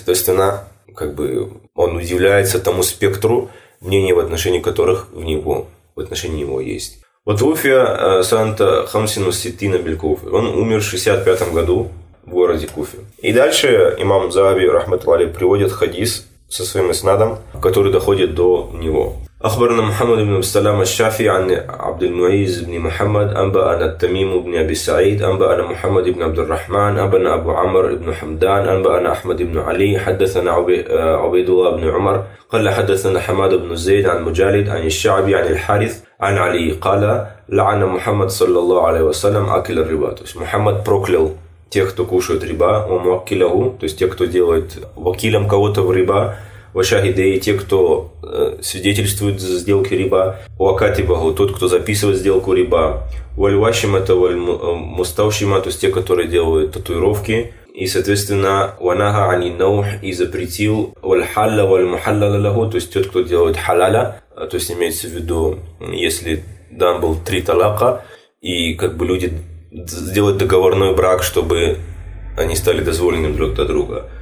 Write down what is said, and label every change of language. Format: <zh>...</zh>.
<ru>Соответственно, как бы он удивляется тому спектру мнений, в отношении которых в него, в отношении него есть. Вот Уфия Санта Хамсину Ситина Белькуфи. Он умер в 65-м году в городе Куфе. И дальше имам Захаби, рахматуллахи, приводит хадис со своим иснадом, который доходит до него.</ru> <ar>أخبرنا محمد بن سلام الشافعي عن عبد المعيز بن محمد أنبأنا التميم بن أبي سعيد أنبأنا محمد بن عبد الرحمن أنبأنا أبو عمر بن حمدان أنبأنا أحمد بن علي حدثنا عبيد الله بن عمر قال حدثنا حماد بن زيد عن مجالد عن الشعبي عن الحارث عن علي قال لعن محمد صلى الله عليه وسلم أكل الربا.</ar> <ru>محمد بروكلو тех, кто кушает риба, وموكله, то есть тех, кто делает вакилом кого-то в риба, вашахидеи, те, кто свидетельствует за сделки риба, уакатибаху, тот, кто записывает сделку риба, вальвашима, это вальмустаушима, то есть те, которые делают татуировки, и, соответственно, ванага ани наух, и запретил вальхалла вальмухаллалалаху, то есть тот, кто делает халаля, то есть имеется в виду, если дан был три талака, и как бы люди сделают договорной брак, чтобы они стали дозволенными друг до друга.</ru>